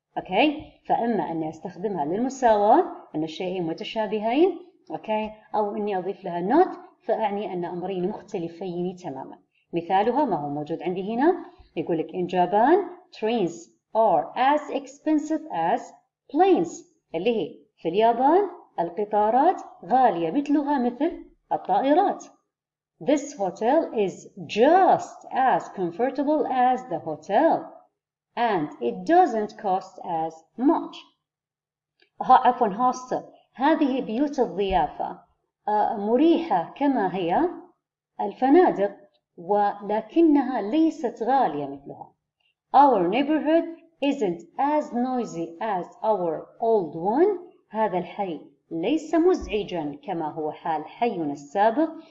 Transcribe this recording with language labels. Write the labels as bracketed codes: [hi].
[ar] أوكي، فأما أني أستخدمها للمساواة أن الشيئين متشابهين، أوكي، أو أني أضيف لها not فأعني أن أمرين مختلفين تماما. مثالها ما هو موجود عندي هنا، يقول لك [en] in Japan trains are as expensive as planes، [ar] اللي هي في اليابان القطارات غالية مثلها مثل الطائرات. [en] This hotel is just as comfortable as the hotel and it doesn't cost as much. [ar] عفوا hostel، هذه بيوت الضيافة مريحة كما هي الفنادق ولكنها ليست غالية مثلها. [en] Our neighborhood isn't as noisy as our old one، [ar] هذا الحي ليس مزعجا كما هو حال حينا السابق.